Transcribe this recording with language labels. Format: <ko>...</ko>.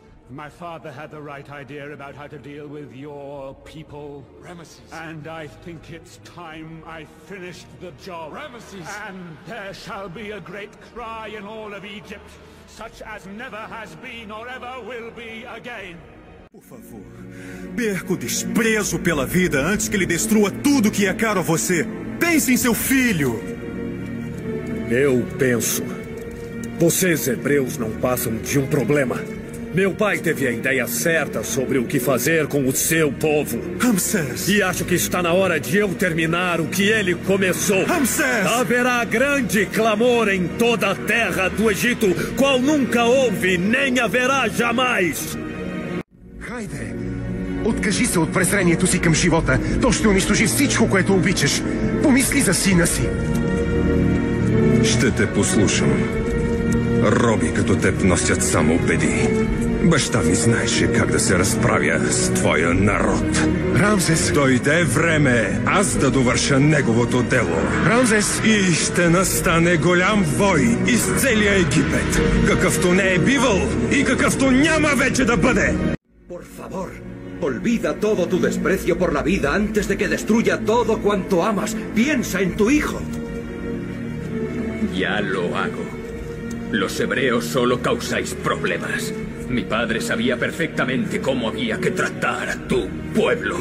<en>My father had the right idea about how to deal with your people. Rameses. And I think it's time I finished the job. Rameses! And there shall be a great cry in all of Egypt, such as never has been or ever will be again.</en> <pt>Por favor, perca o desprezo pela vida antes que ele destrua tudo que é caro a você. Pense em seu filho! Eu penso. Vocês, hebreus, não passam de um problema. Meu pai teve a ideia certa sobre o que fazer com o seu povo. Ramsés! E acho que está na hora de eu terminar o que ele começou. Ramsés! Haverá grande clamor em toda a terra do Egito, qual nunca houve, nem haverá jamais.</pt> <bg>Хайде! Откажи се от презрението си към живота. То ще унищожи всичко, което обичаш. Помисли за сина си. Ще те послушам. Роби като теб носят само беди. Баща ми знаеше как да се разправя с твоя народ. Рамзес! Дойде време аз да довърша неговото дело. Рамзес! И ще настане голям вой из целия Египет. Какъвто не е бивал и какъвто няма вече да бъде.</bg> <es>Por favor, olvida todo tu desprecio por la vida antes de que destruya todo cuanto amas. Piensa en tu hijo. Ya lo hago. Los hebreos solo causáis problemas. Mi padre sabía perfectamente cómo había que tratar a tu pueblo.</es>